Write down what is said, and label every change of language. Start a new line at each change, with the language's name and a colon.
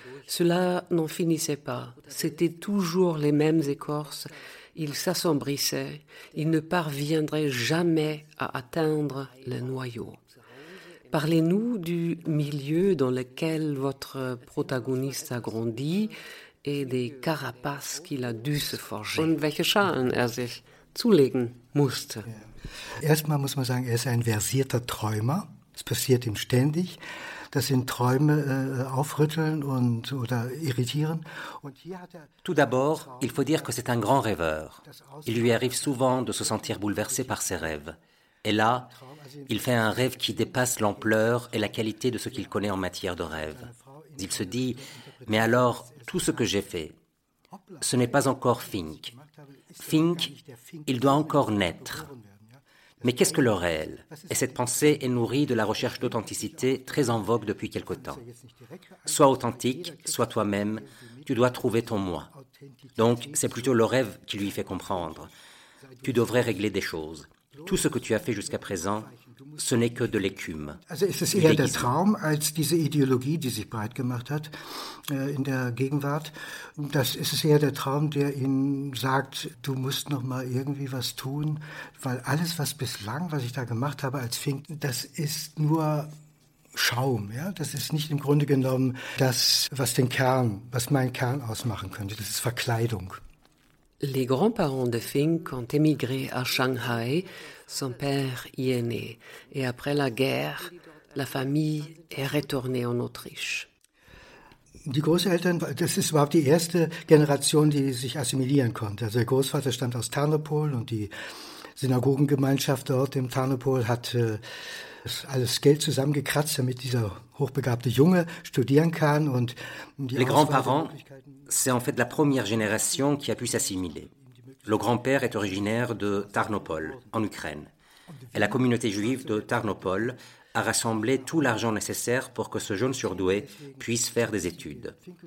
French: Cela n'en finissait pas. C'était toujours les mêmes écorces. Il s'assombrissait, il ne parviendrait jamais à atteindre le noyau. Parlez-nous du milieu dans lequel votre protagoniste a grandi et des carapaces qu'il a dû se forger.
German: Und welche Schalen sich zulegen musste. Erstmal muss man sagen, er ist ein versierter Träumer. Es passiert ihm ständig, dass ihn Träume aufrütteln und oder irritieren.
French: Tout d'abord, il faut dire que c'est un grand rêveur. Il lui arrive souvent de se sentir bouleversé par ses rêves. Et là, il fait un rêve qui dépasse l'ampleur et la qualité de ce qu'il connaît en matière de rêve. Il se dit, mais alors, tout ce que j'ai fait, ce n'est pas encore Fink. Fink, il doit encore naître. Mais qu'est-ce que le réel? Et cette pensée est nourrie de la recherche d'authenticité très en vogue depuis quelque temps. Sois authentique, sois toi-même, tu dois trouver ton moi. Donc, c'est plutôt le rêve qui lui fait comprendre. Tu devrais régler des choses. Tout ce que tu as fait jusqu'à présent, ce n'est que de l'écume.
German: Also, es ist eher der Traum als diese Ideologie, die sich breit gemacht hat in der Gegenwart. Das ist es eher der Traum, der ihn sagt, du musst noch mal irgendwie was tun, weil alles, was bislang, was ich da gemacht habe als Fink, das ist nur Schaum. Ja? Das ist nicht im Grunde genommen das, was den Kern, was meinen Kern ausmachen könnte. Das ist Verkleidung.
French: Les grands-parents de Fink ont émigré à Shanghai. Son père y est né. Et après la guerre, la famille est retournée en Autriche.
German: Die Großeltern, das ist überhaupt die erste Generation, die sich assimilieren konnte. Also der Großvater stammt aus Tarnopol und die Synagogengemeinschaft dort im Tarnopol hat alles Geld zusammengekratzt, damit dieser hochbegabte Junge studieren kann. Und die
French: Les grands-parents, c'est en fait la première génération qui a pu s'assimiler. Le grand-père est originaire de Tarnopol, en Ukraine. Et la communauté juive de Tarnopol a rassemblé tout l'argent nécessaire pour que ce jeune surdoué puisse faire des études.